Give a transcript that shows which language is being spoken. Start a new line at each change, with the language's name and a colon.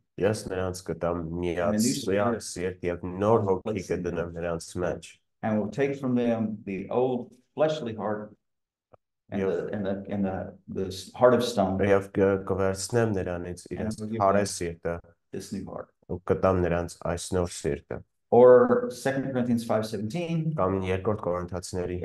Armenian: Yes, նրանց կտամ միացած սիրտ եւ նոր հոգի կդնեմ նրանց մեջ.
English: And we'll take from them the old fleshly heart and the heart of stone.
Armenian: Եվ կվերցնեմ նրանից իրենց հարե սիրտը.
English: This new heart.
Armenian: Ու կտամ նրանց այս նոր սիրտը.
English: Or 2 Corinthians 5:17.
Armenian: Կամ երկրորդ Կորինթացիների